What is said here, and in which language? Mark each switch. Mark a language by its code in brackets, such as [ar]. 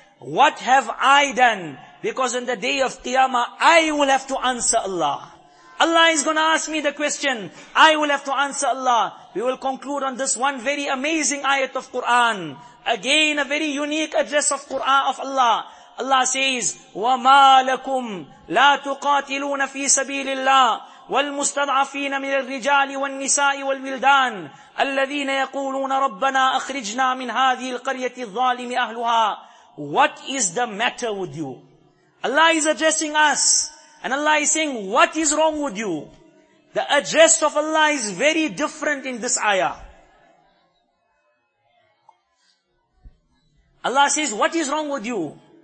[en] What have I done? Because in the day of Qiyamah, I will have to answer Allah. Allah is going to ask me the question. I will have to answer Allah. We will conclude on this one very amazing ayat of Quran. Again, a very unique address of Quran of Allah. Allah says, [ar] وَمَا لَكُمْ لَا تُقَاتِلُونَ فِي سَبِيلِ اللَّهِ والمستضعفين من الرجال والنساء والولدان الذين يقولون ربنا أخرجنا من هذه القرية الظالم أهلها. [en] What is the matter with you? Allah is addressing us. And Allah is saying, what is wrong with you? The address of Allah is very different in this ayah. Allah says, what is wrong with you?